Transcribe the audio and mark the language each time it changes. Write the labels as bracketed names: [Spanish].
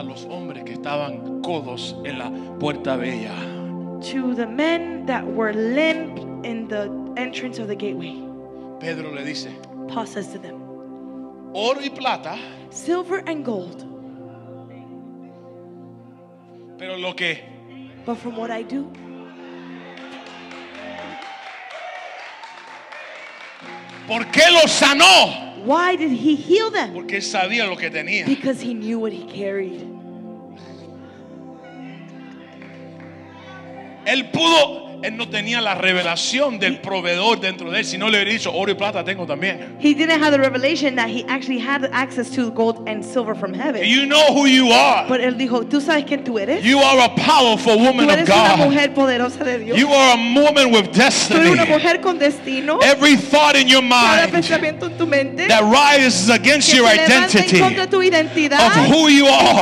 [Spanish] A los hombres que estaban codos en la puerta de ella. [English] To the men that were limp in the entrance of the gateway. [Spanish] Pedro le dice, [English] Paul says to them, [Spanish] oro y plata, [English] silver and gold, [Spanish] pero lo que, [English] but from what I do, [Spanish] ¿por qué lo sanó? [English] Why did he heal them? [Spanish] Porque sabía lo que tenía. [English] Because he knew what he carried. [Spanish] Él pudo, él no tenía la revelación del proveedor dentro de él, si no le hubiera dicho oro y plata tengo también. [English] He didn't have the revelation that he actually had access to gold and silver from heaven. You know who you are. But [Spanish] él dijo, ¿tú sabes quién tú eres? [English] You are a powerful woman of [Spanish] Tú eres una mujer poderosa de Dios. [English] You are a woman with destiny. [Spanish] Tú eres una mujer con destino. [English] Every thought in your mind that rises against your identity of who you are.